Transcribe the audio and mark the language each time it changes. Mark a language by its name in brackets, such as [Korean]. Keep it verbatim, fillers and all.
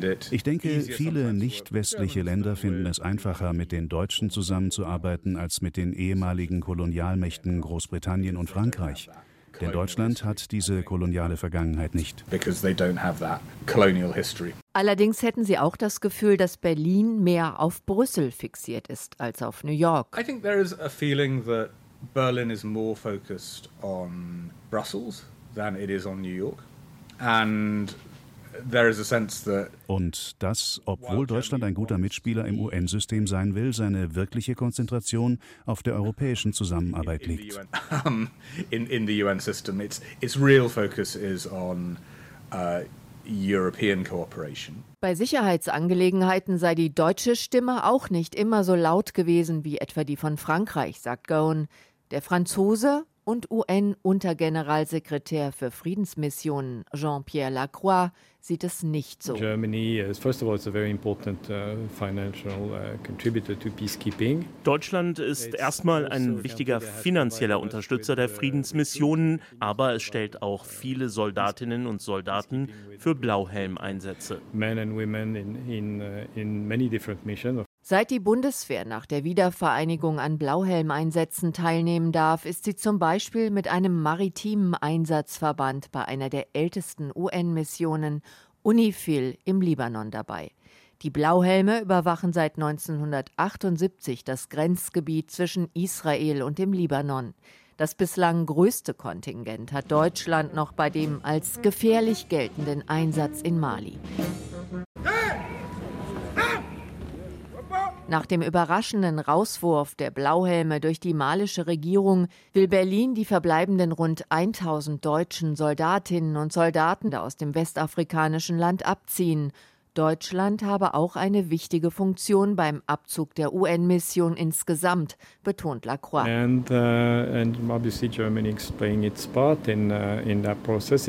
[German] Ich denke, viele nicht-westliche Länder finden es einfacher, mit den Deutschen zusammenzuarbeiten, als mit den ehemaligen Kolonialmächten Großbritannien und Frankreich. Denn Deutschland hat diese koloniale Vergangenheit nicht. Allerdings hätten sie auch das Gefühl, dass Berlin mehr auf Brüssel fixiert ist als auf New York. [English] I think there is a feeling that Berlin is more focused on Brussels than it is on New York. And there is a sense that [German] Und dass, obwohl Deutschland ein guter Mitspieler im U N-System sein will, seine wirkliche Konzentration auf der europäischen Zusammenarbeit liegt. [English] In, in the U N system, its its real focus is on uh, European cooperation. [German] Bei Sicherheitsangelegenheiten sei die deutsche Stimme auch nicht immer so laut gewesen wie etwa die von Frankreich, sagt Gowan. Der Franzose und U N-Untergeneralsekretär für Friedensmissionen Jean-Pierre Lacroix sieht es nicht so. [English] Germany is first of all it's a very important uh, financial uh, contributor to peacekeeping. [German] Deutschland ist erstmal ein wichtiger finanzieller Unterstützer der Friedensmissionen, aber es stellt auch viele Soldatinnen und Soldaten für Blauhelm-Einsätze. [English] Men and women in in uh, in many different missions. [German] Seit die Bundeswehr nach der Wiedervereinigung an Blauhelmeinsätzen teilnehmen darf, ist sie zum Beispiel mit einem maritimen Einsatzverband bei einer der ältesten U N-Missionen, UNIFIL, im Libanon dabei. Die Blauhelme überwachen seit neunzehnhundertachtundsiebzig das Grenzgebiet zwischen Israel und dem Libanon. Das bislang größte Kontingent hat Deutschland noch bei dem als gefährlich geltenden Einsatz in Mali. Nach dem überraschenden Rauswurf der Blauhelme durch die malische Regierung will Berlin die verbleibenden rund tausend deutschen Soldatinnen und Soldaten aus dem westafrikanischen Land abziehen. Deutschland habe auch eine wichtige Funktion beim Abzug der U N-Mission insgesamt, betont Lacroix. [English] And, uh, and obviously Germany is playing its part in, uh, in that process.